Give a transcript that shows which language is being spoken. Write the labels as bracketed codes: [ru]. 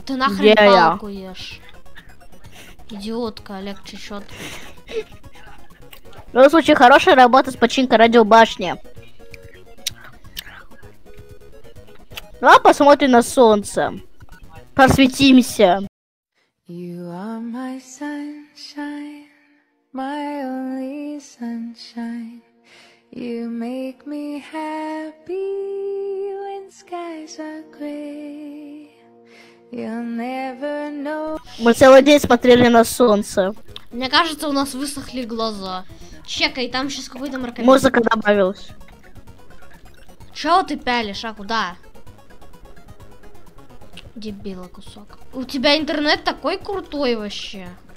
[ru] ты нахрен палку ешь? Идиотка, Олег чечет. В любом случае, хорошая работа с починкой радиобашни. Давай посмотрим на солнце. Просветимся. [en] You are my sunshine, my only sunshine. You make me happy when skies are gray. You'll never know. [ru] Мы целый день смотрели на солнце. Мне кажется, у нас высохли глаза. Чекай, там сейчас какой-то мракобес. Музыка добавилась. Чего ты пялишь, а куда? Дебила кусок. У тебя интернет такой крутой вообще.